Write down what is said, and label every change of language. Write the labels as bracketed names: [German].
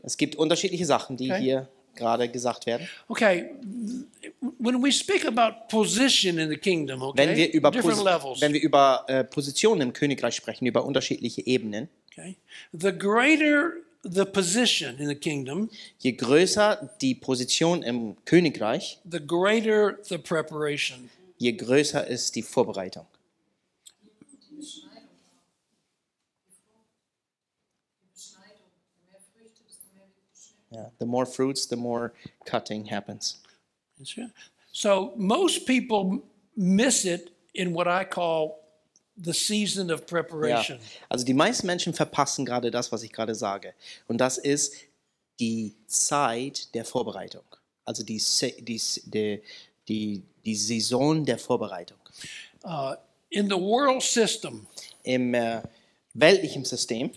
[German] Es gibt unterschiedliche Sachen, die hier gerade gesagt werden. [English] Okay, when we speak about position in the kingdom, okay, [German] wenn wir über Positionen im Königreich sprechen, über unterschiedliche Ebenen. [English] Okay, the greater the position in the kingdom, [German] je größer die Position im Königreich, [English] the greater the preparation, [German] je größer ist die Vorbereitung. [English] Yeah. The more fruits, the more cutting happens. So most people miss it in what I call the season of preparation. Yeah. [German] Also die meisten Menschen verpassen gerade das, was ich gerade sage. Und das ist die Zeit der Vorbereitung. Also die Saison der Vorbereitung. [English] In the world system, [German] im weltlichen System,